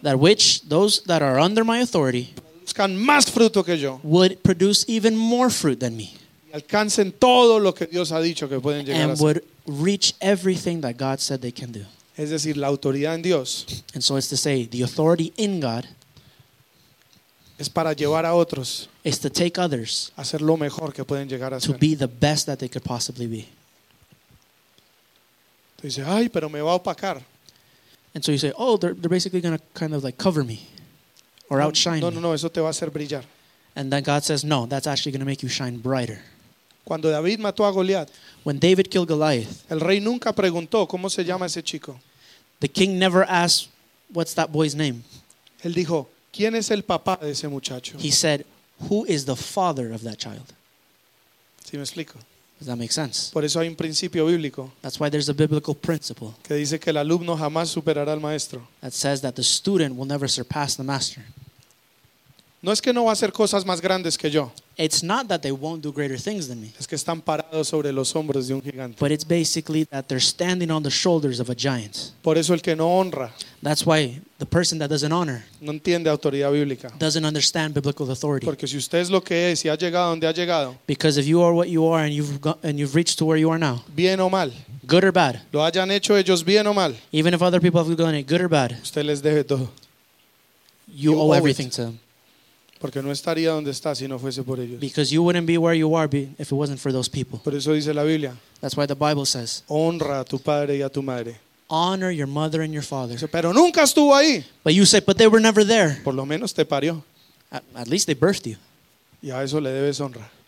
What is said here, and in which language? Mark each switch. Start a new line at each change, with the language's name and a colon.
English: That which those that are under my authority.
Spanish: Produzcan más fruto que yo.
English: Would produce even more fruit than me.
Spanish: Y alcancen todo lo que Dios ha dicho que pueden llegar
English: and
Spanish: a ser.
English: Would reach everything that God said they can do.
Spanish: Es decir, la autoridad en Dios.
English: And so it's to say, the authority in God.
Spanish: Es para llevar a otros.
English: It's to take others.
Spanish: A ser lo mejor que pueden llegar a ser.
English: To be the best that they could possibly be.
Spanish: Dice, ay, pero me va a opacar.
English: And so you say, oh, they're basically going to kind of like cover me. Or outshine me.
Spanish: No, eso te va a hacer brillar.
English: And then God says, no, that's actually going to make you shine brighter.
Spanish: Cuando David mató a Goliat.
English: When David killed Goliath.
Spanish: El rey nunca preguntó, ¿cómo se llama ese chico?
English: The king never asked, what's that boy's name?
Spanish: Él dijo, ¿quién es el papá de ese muchacho?
English: He said, who is the father of that child?
Spanish: ¿Sí me explico?
English: Does that make sense?
Spanish: Por eso hay un principio bíblico.
English: That's why there's a biblical principle.
Spanish: Que dice que el alumno jamás superará al maestro.
English: That says that the student will never surpass the master.
Spanish: No es que no va a hacer cosas más grandes que yo.
English: It's not that they won't do greater things than me.
Spanish: Es que están parados sobre los hombros de un gigante.
English: But it's basically that they're standing on the shoulders of a giant.
Spanish: Por eso el que no honra.
English: That's why the person that doesn't honor.
Spanish: No entiende autoridad bíblica.
English: Doesn't understand biblical authority.
Spanish: Porque si usted es lo que es y ha llegado donde ha llegado.
English: Because if you are what you are and you've reached to where you are now.
Spanish: Bien o mal.
English: Good or bad.
Spanish: Lo hayan hecho ellos bien o mal.
English: Even if other people have done it good or bad.
Spanish: Usted les debe todo.
English: You owe everything to them.
Spanish: Porque no estaría donde está si no fuese por ellos.
English: Because you wouldn't be where you are if it wasn't for those people.
Spanish: Por eso dice la Biblia.
English: That's why the Bible says.
Spanish: Honra a tu padre y a tu madre.
English: Honor your mother and your father.
Spanish: Pero nunca estuvo ahí.
English: But you say, but they were never there.
Spanish: Por lo menos te parió.
English: At least they birthed you.
Spanish: Y a eso le debes honra.